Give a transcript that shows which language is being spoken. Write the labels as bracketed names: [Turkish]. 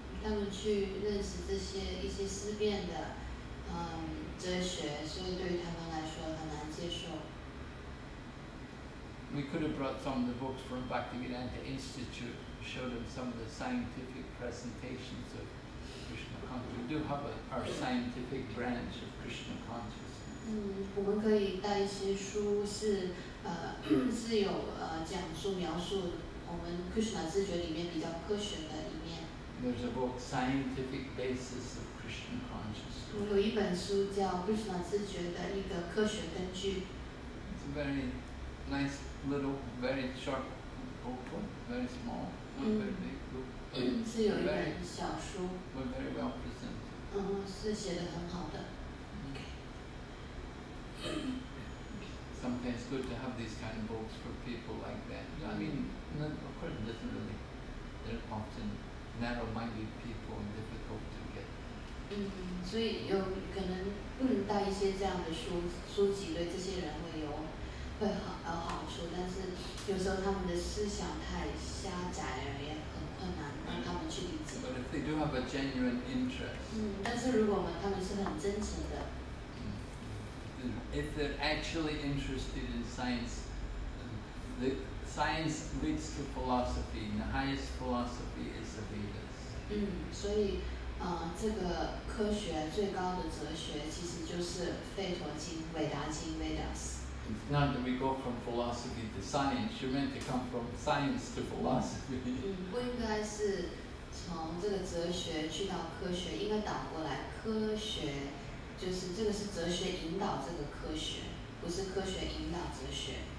[Chinese] 他们去认识这些一些思辨的，哲学，所以对于他们来说很难接受。 [English] We could have brought some of the books from Bhaktivedanta Institute, showed them some of the scientific presentations of Krishna consciousness. We do have our scientific branch of Krishna consciousness. [Chinese] 我们可以带一些书是。是有讲述描述我们 Krishna 自觉里面比较科学的一面。 [English] There's a book, Scientific Basis of Krishna Consciousness. [Chinese] 有一本书叫 Krishna 自觉的一个科学根据。 [English] It's a very nice little, very short book, very small, not very big book. [Chinese] 是有一本小书。 [English] But very well presented. [Chinese] 是写得很好的。 [English] Sometimes good to have these kind of books for people like that. I mean, of course, it doesn't really. They're often narrow-minded people and difficult to get. [Chinese] 所以有可能带一些这样的书籍对这些人会有好处，但是有时候他们的思想太狭窄了，也很困难让他们去理解。 [English] But if they do have a genuine interest. [Chinese] 但是如果他们是很真诚的。 [English] If they're actually interested in science, the science leads to philosophy, and the highest philosophy is the Vedas. [Chinese] 所以，这个科学最高的哲学其实就是《吠陀经》《韦达经》Vedas. [English] It's not that we go from philosophy to science. You're meant to come from science to philosophy. [Chinese] 不应该是从这个哲学去到科学，应该倒过来，科学。就是这个是哲学引导这个科学，不是科学引导哲学。